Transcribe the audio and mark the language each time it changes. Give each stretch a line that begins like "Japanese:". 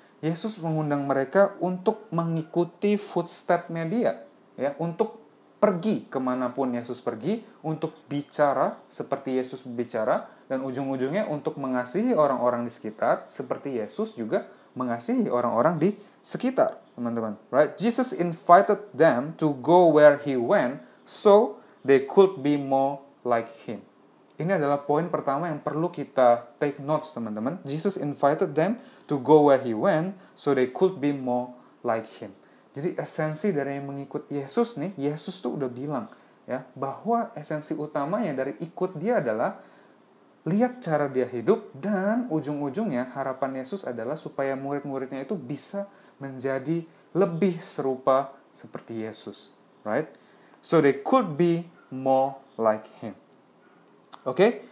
Indonesian: Yesus mengundang mereka untuk mengikuti footstep-nya dia, ya, untuk pergi kemanapun Yesus pergi, untuk bicara seperti Yesus berbicara, dan ujung-ujungnya untuk mengasihi orang-orang di sekitar seperti Yesus juga mengasihi orang-orang di sekitar, teman-teman.
English: Right? Jesus invited them to go where he went so they could be more like him.
Indonesian: Ini adalah poin pertama yang perlu kita take notes, teman-teman.
English: Jesus invited them to go where he went so they could be more like him.
Indonesian: Jadi esensi dari yang mengikut Yesus nih, Yesus tuh udah bilang, ya, bahwa esensi utamanya dari ikut dia adalah lihat cara dia hidup, dan ujung-ujungnya harapan Yesus adalah supaya murid-muridnya itu bisa menjadi lebih serupa seperti Yesus,
English: right? So they could be more like him. Oke? Okay?